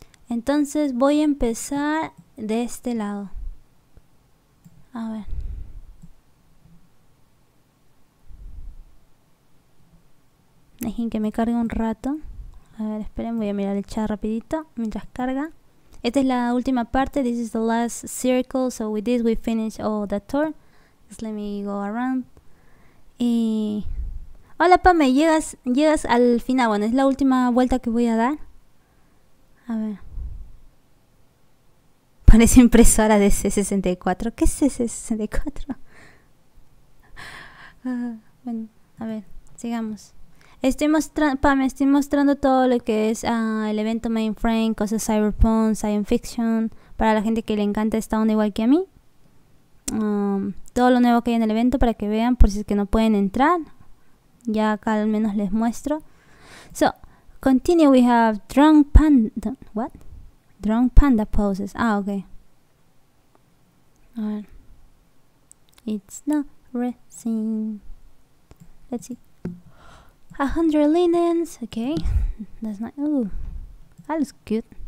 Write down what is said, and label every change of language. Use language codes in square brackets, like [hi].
[es] Entonces voy a empezar de este lado. A ver. Dejen que me cargue un rato. A ver, esperen, voy a mirar el chat rapidito mientras carga. Esta es la última parte. [en] This is the last circle. So with this we finish all the tour. Just let me go around. Y... [es] Hola, Pame, llegas al final. Bueno, es la última vuelta que voy a dar. A ver. Parece impresora de C64. ¿Qué es C64? Bueno, a ver, sigamos. Estoy mostrando todo lo que es el evento mainframe, cosas cyberpunk, science fiction, para la gente que le encanta esta onda igual que a mí. Todo lo nuevo que hay en el evento para que vean, por si es que no pueden entrar. Ya acá al menos les muestro. [en] So, continue, we have drunk panda, what? Drunk panda poses. Ah, okay. [es] A ver. [en] It's not racing. Let's see. 100 linens, okay. That's not. Ooh, that looks good.